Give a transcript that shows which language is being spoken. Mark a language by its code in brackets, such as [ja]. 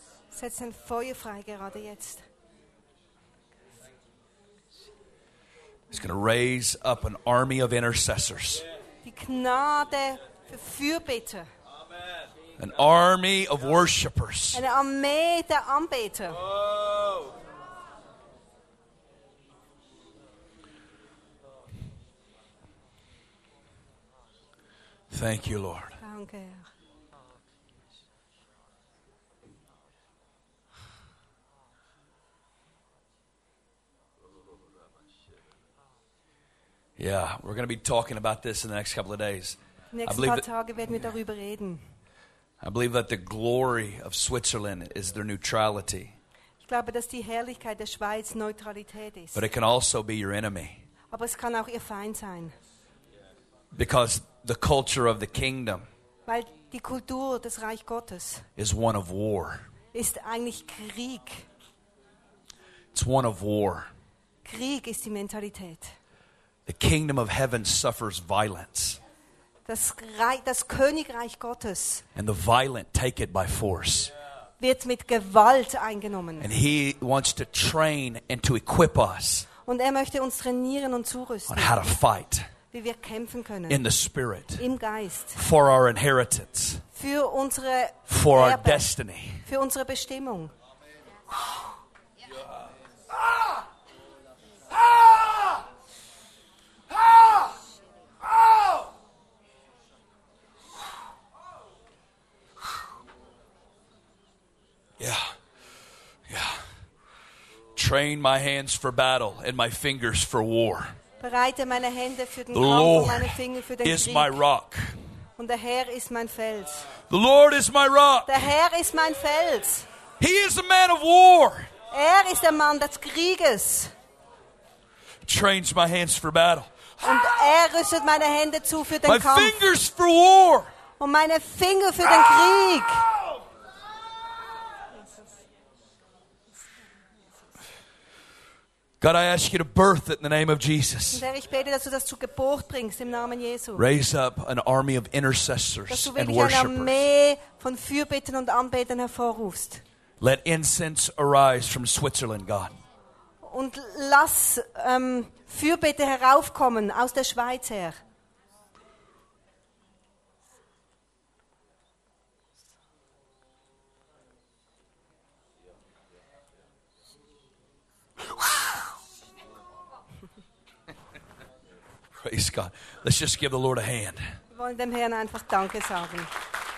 [de] Setz ein Feuer frei gerade jetzt. [en] He's going to raise up an army of intercessors. [de] Die Gnade für Fürbitter. [en] An army of worshipers. [de] Eine Armee der Anbeter. [en] Thank you, Lord. [de] Danke. [en] Yeah, we're going to be talking about this in the next couple of days. I believe that the glory of Switzerland is their neutrality. [de] Ich glaube, dass die Herrlichkeit der Schweiz Neutralität ist. [en] But it can also be your enemy. [de] Aber es kann auch ihr Feind sein. [en] Because the culture of the kingdom, [de] weil die Kultur des Reich Gottes, [en] is one of war. [de] Ist eigentlich Krieg. [en] It's one of war. [de] Krieg ist die Mentalität. [en] The kingdom of heaven suffers violence. [de] Das Königreich Gottes, [en] and the violent take it by force. [de] Wird mit Gewalt eingenommen. [en] And he wants to train and to equip us. [de] Und er möchte uns trainieren und zurüsten. [en] On how to fight. [de] Wie wir kämpfen können. [en] In the spirit. [de] Im Geist. [en] For our inheritance. [de] Für unsere [en] for our destiny. [de] Für unsere Bestimmung. [en] Yeah. Yeah. Train my hands for battle and my fingers for war. [de] Bereite meine Hände für den Kampf und meine Finger für den Krieg. [en] Is my rock. [de] Und der Herr ist mein Fels. [en] The Lord is my rock. [de] Der Herr ist mein Fels. [en] He is a man of war. [de] Er ist der Mann des Krieges. [en] Trains my hands for battle. [de] Und er rüstet meine Hände zu für den [en] my [de] Kampf. [en] My fingers for war. [de] Und meine Finger für den Krieg. [en] God, I ask you to birth it in the name of Jesus. [de] Ich bete, dass du das zu Geburt bringst im Namen Jesu. [en] Raise up an army of intercessors and [de] Dass du wirklich eine Armee von Fürbitten und Anbetern hervorrufst. [en] Let incense arise from Switzerland, God. [de] Und lass Fürbitte heraufkommen aus der Schweiz her. [en] Praise God. Let's just give the Lord a hand. [de] Wir wollen dem Herrn einfach Danke sagen.